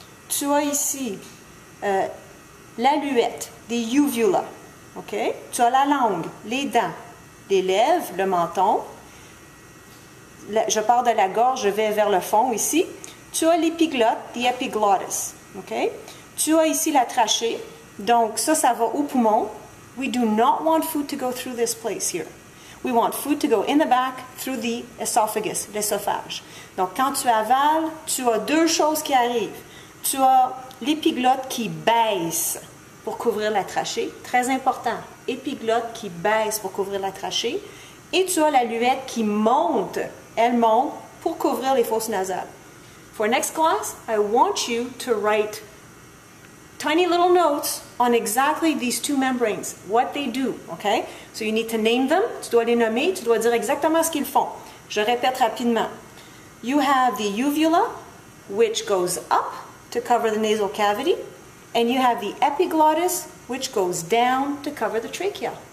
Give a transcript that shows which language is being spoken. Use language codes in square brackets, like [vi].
[fr] Tu as ici l'aluette, des uvula, ok? Tu as la langue, les dents, les lèvres, le menton. Je pars de la gorge, je vais vers le fond ici. Tu as l'épiglotte, the epiglottis, ok? Tu as ici la trachée, donc ça, ça va au poumon. [en] We do not want food to go through this place here. We want food to go in the back through the esophagus, l'œsophage. [fr] Donc, quand tu avales, tu as deux choses qui arrivent. Tu as l'épiglotte qui baisse pour couvrir la trachée. Très important, épiglotte qui baisse pour couvrir la trachée. Et tu as la luette qui monte, elle monte, pour couvrir les fosses nasales. [en] For next class, I want you to write tiny little notes on exactly these two membranes, what they do, okay? So you need to name them, [fr] tu dois les nommer, tu dois dire exactement ce qu'ils font. Je répète rapidement. [en] You have the uvula, which goes up to cover the nasal cavity, and you have the epiglottis, which goes down to cover the trachea.